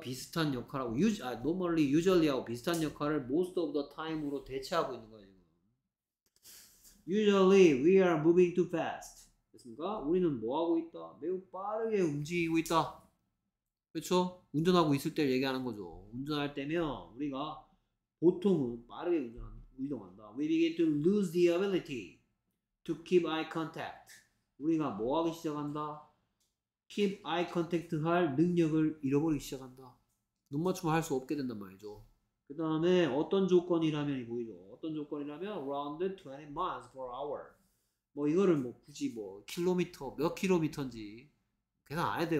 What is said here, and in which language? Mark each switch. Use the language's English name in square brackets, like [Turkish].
[Korean] 비슷한 역할하고 normally, usually 하고 비슷한 역할을 [English] most of the time [Korean] 으로 대체하고 있는 거예요. [English] Usually we are moving too fast. [Korean] 됐습니까? 우리는 뭐하고 있다? 매우 빠르게 움직이고 있다. 그렇죠? 운전하고 있을 때 얘기하는 거죠. 운전할 때면 우리가 보통은 빠르게 운동한다. [English] We begin to lose the ability to keep eye contact. [Korean] 우리가 뭐 하기 시작한다? [English] Keep eye contact [Korean] 할 능력을 잃어버리기 시작한다. 눈 맞춤을 할수 없게 된단 말이죠. 그 다음에 어떤 조건이라면이 보이죠? 어떤 조건이라면 [English] around 20 miles per hour. [Korean] 뭐 이거를 뭐 굳이 뭐 킬로미터 몇 킬로미터인지 계산 안 해도 돼.